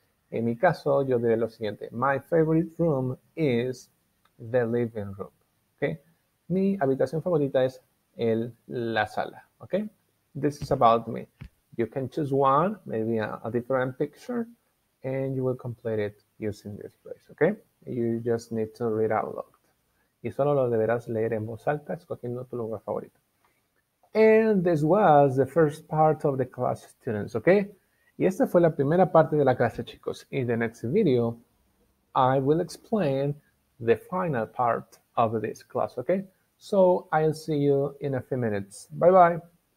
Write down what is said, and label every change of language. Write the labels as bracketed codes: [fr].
[es] En mi caso, yo diré lo siguiente. [en] My favorite room is the living room. Okay? [es] Mi habitación favorita es la sala. Okay? [en] This is about me. You can choose one, maybe a different picture, and you will complete it using this phrase. Okay? You just need to read out loud. [es] Y solo lo deberás leer en voz alta, escogiendo tu lugar favorito. [en] And this was the first part of the class, students, okay? [es] Y esta fue la primera parte de la clase, chicos. [en] In the next video, I will explain the final part of this class, okay? So, I'll see you in a few minutes. Bye-bye.